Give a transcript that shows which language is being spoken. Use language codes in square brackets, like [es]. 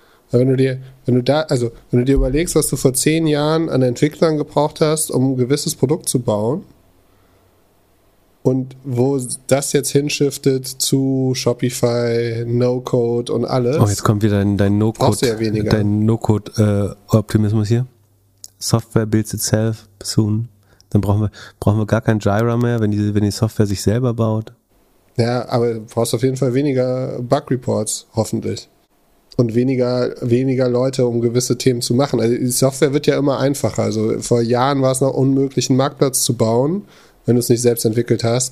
[de] Weil wenn du dir überlegst, was du vor 10 Jahren an Entwicklern gebraucht hast, um ein gewisses Produkt zu bauen und wo das jetzt hinschiftet zu Shopify, No-Code und alles. Oh, jetzt kommt wieder dein No-Code. Brauchst du ja weniger. Dein No-Code-Optimismus hier. [en] Software builds itself soon. [de] Dann brauchen wir gar kein Jira mehr, wenn die Software sich selber baut. Ja, aber du brauchst auf jeden Fall weniger Bug Reports, hoffentlich. Und weniger Leute, um gewisse Themen zu machen. Also die Software wird ja immer einfacher. Also vor Jahren war es noch unmöglich, einen Marktplatz zu bauen, wenn du es nicht selbst entwickelt hast.